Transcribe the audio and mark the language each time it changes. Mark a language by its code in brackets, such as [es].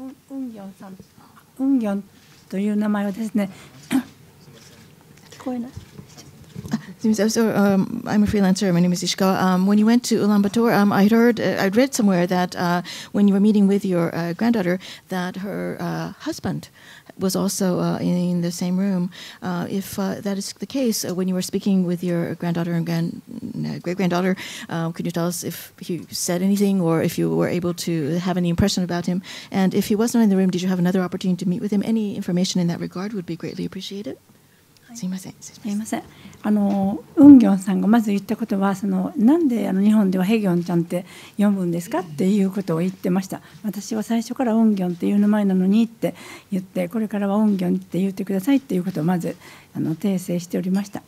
[ja] ウンギョンさん、ウンギョンという名前をですね、聞こえない。 [en] I'm a freelancer. My name is Ishikawa. When you went to Ulaanbaatar, I'd read somewhere that when you were meeting with your granddaughter, that her husband was also in the same room. If that is the case, when you were speaking with your granddaughter and great-granddaughter, could you tell us if he said anything or if you were able to have any impression about him? And if he was not in the room, did you have another opportunity to meet with him? Any information in that regard would be greatly appreciated. [ja] すいません。ウンギョンさんがまず言ったことは、そのなんで日本ではヘギョンちゃんって読むんですかっていうことを言ってました。私は最初からウンギョンっていう名前なのにって言って、これからはウンギョンって言ってくださいっていうことをまず訂正しておりました。